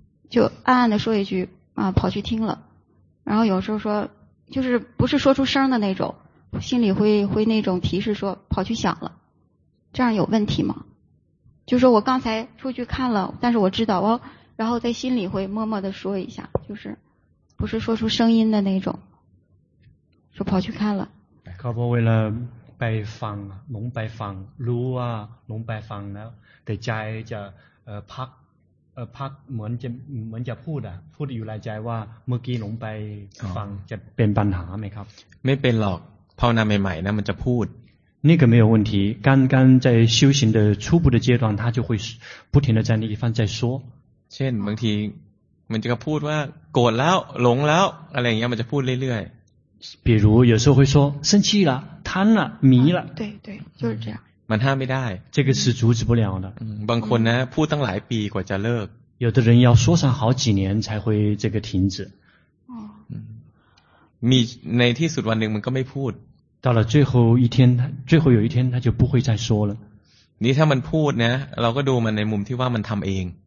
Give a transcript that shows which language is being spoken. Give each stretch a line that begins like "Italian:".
Chinese: 就暗暗的说一句跑去听了然后有时候说就是不是说出声的那种心里会那种提示说跑去想了这样有问题吗就说我刚才出去看了但是我知道哦然后在心里会默默的说一下就是不是说出声音的那种说跑去看了
Thai: ครับเพราะเวลาไปฟังหลงไปฟังรู้ว่าหลงไปฟังแล้วแต่ใจจะพักเหมือนจะพูดอ่ะพูดอยู่ในใจว่าเมื่อกี้หลงไปฟังจะเป็นปัญหาไหมครับ ไม่เป็นหรอกภาวนาใหม่ๆนะมันจะพูด
Chinese: 那个没有问题刚刚在修行的初步的阶段他就会不停的在那一方在说
Thai: เช่นบางที มันจะพูดว่าโกรธแล้วหลงแล้วอะไรอย่างเงี้ยมันจะพูดเรื่อย
Chinese: ๆ比如有时候会说生气了贪了迷了对对就是这样
Thai: มันห้ามไม่ได้
Chinese: 这个是阻止不了的
Thai: บางคนนะพูดตั้งหลายปีกว่าจะเลิก
Chinese: 有的人要说上好几年才会这个停止
Thai: มีในที่สุดวันหนึ่งมันก็ไม่พูด
Chinese: 到了最后一天最后有一天他就不会再说了
Thai: นี่ถ้ามันพูดนะเราก็ดูมันในมุมที่ว่ามันทำเอง